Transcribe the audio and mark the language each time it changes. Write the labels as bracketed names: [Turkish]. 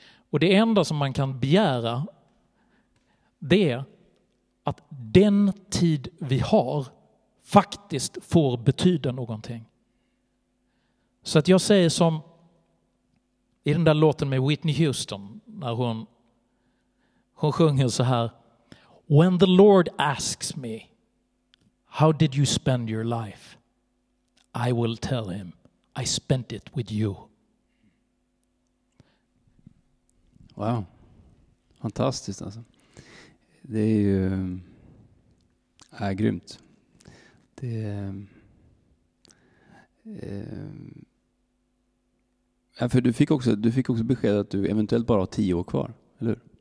[Swedish] Och det enda som man kan begära, det är att den tid vi har faktiskt får betyda någonting. Så att jag säger som i den där låten med Whitney Houston, när hon sjunger så här. [English] When the Lord asks me, how did you spend your life? I will tell him, I spent it with you. [Swedish] Wow, fantastiskt alltså. Det är ju grymt. Det är, för du fick också besked att du eventuellt bara har 10 år kvar, eller hur?